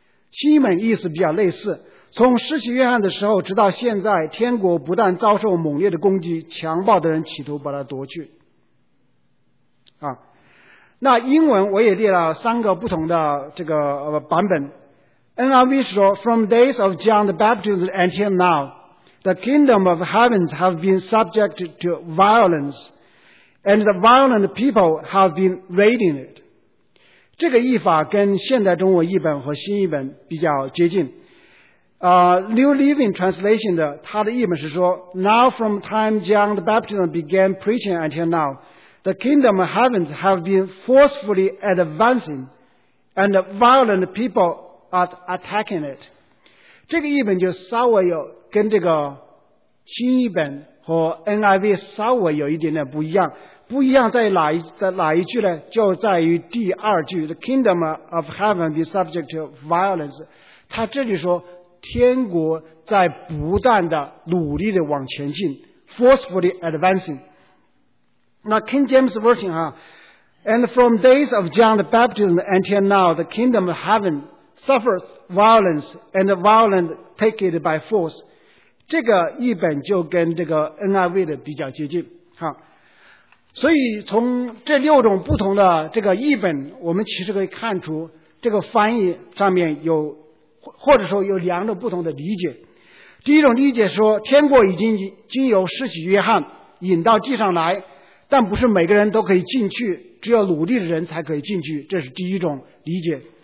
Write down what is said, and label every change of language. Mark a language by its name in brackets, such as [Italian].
[Chinese] 新译本意思比较类似，从施洗约翰的时候直到现在，天国不但遭受猛烈的攻击，强暴的人企图把它夺去啊。那英文我也列了三个不同的这个版本。 [English] NIV 说 From days of John the Baptist until now, the kingdom of heavens have been subject to violence, and the violent people have been raiding it. [Chinese] 这个译法跟现代中文译本和新译本比较接近。 [English] New Living Translation [Chinese] 的它的译本是说 [English] Now from time John the Baptist began preaching until now,The kingdom of heavens have been forcefully advancing, and violent people are attacking it. [Chinese] 这个译本就稍微有跟这个新译本和 NIV 稍微有一点点不一样。不一样在哪一句呢？就在于第二句 ， [English] The kingdom of heaven be subject to violence. [Chinese] 他这里说，天国在不断的努力的往前进 ， [English] forcefully advancing. 那 King James Version 啊 And from days of John the Baptist until now, the kingdom of heaven suffers violence and the violent take it by force. [Chinese] 这个译本就跟这个 NIV 的比较接近哈。所以从这六种不同的这个译本，我们其实可以看出这个翻译上面有或者说有两种不同的理解。第一种理解说，天国已经经由施洗约翰引到地上来，但不是每个人都可以进去，只有努力的人才可以进去，这是第一种理解。